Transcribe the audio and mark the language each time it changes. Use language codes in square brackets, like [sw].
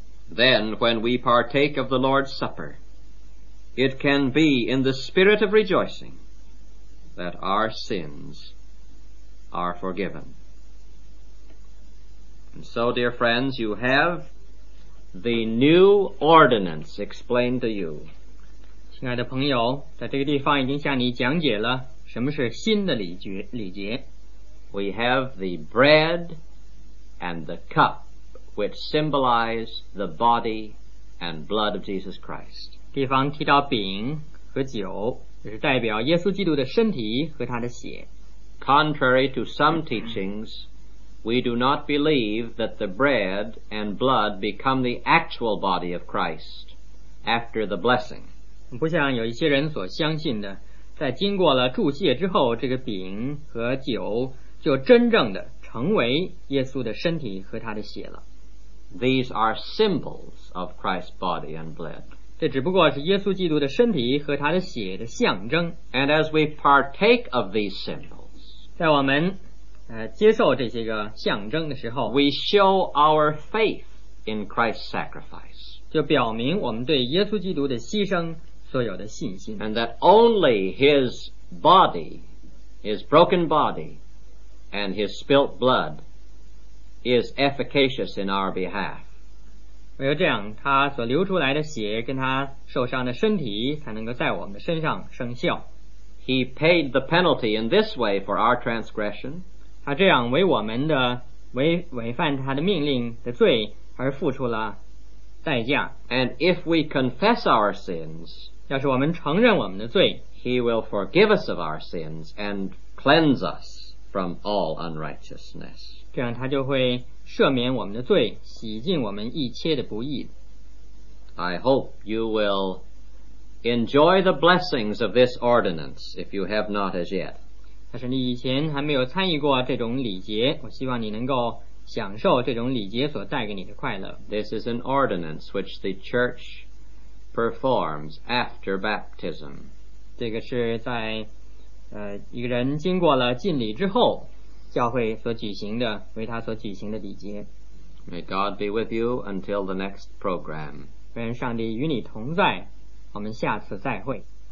[en] Then, when we partake of the Lord's Supper, it can be in the spirit of rejoicing that our sins are forgiven." And so, dear friends, you have the new ordinance explained to you. [zh] 亲爱的朋友，在这个地方已经向你讲解了什么是新的礼节。 [en] We have the bread and the cup, which symbolize the body and blood of Jesus Christ. [zh] 地方提到饼和酒，就是代表耶稣基督的身体和他的血。 [en] Contrary to some teachings, we do not believe that the bread and blood become the actual body of Christ after the blessing. [zh] 不像有一些人所相信的，在经过了祝谢之后，这个饼和酒就真正的成为耶稣的身体和他的血了。 [en] These are symbols of Christ's body and blood. [zh] 这只不过是耶稣基督的身体和他的血的象征。 [en] And as we partake of these symbols, [zh] 在我们接受这些个象征的时候， [en] we show our faith in Christ's sacrifice. [zh] 就表明我们对耶稣基督的牺牲所有的信心。 [en] And that only his body, his broken body,and his spilt blood is efficacious in our behalf. [zh] 唯有这样，他所流出来的血跟他受伤的身体才能够在我们的身上生效。 [en] He paid the penalty in this way for our transgression. [zh] 他这样为我们的违反他的命令的罪而付出了代价。 [en] And if we confess our sins, [zh] 要是我们承认我们的罪， [en] he will forgive us of our sins and cleanse us from all unrighteousness. [zh] 这样他就会赦免我们的罪，洗净我们一切的不义。 [en] I hope you will enjoy the blessings of this ordinance if you have not as yet. [zh] 但是你以前还没有参与过这种礼节，我希望你能够享受这种礼节所带给你的快乐。 [en] This is an ordinance which the church performs after baptism. [zh] 这个是在一个人经过了浸礼之后，教会所举行的，为他所举行的礼节。 [en] May God be with you until the next program. [zh] 愿上帝与你同在，我们下次再会。